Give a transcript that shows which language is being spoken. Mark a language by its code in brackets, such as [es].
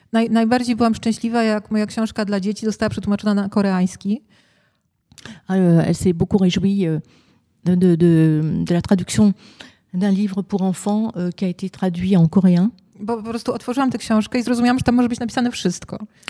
[pl] Najbardziej byłam szczęśliwa, jak moja książka dla dzieci została przetłumaczona na koreański. [fr] Elle s'est beaucoup réjouie. De la traduction d'un livre pour enfants qui a été traduit en coréen. [pl] Bo po prostu otworzyłam tę książkę i zrozumiałam, że tam może być napisane wszystko.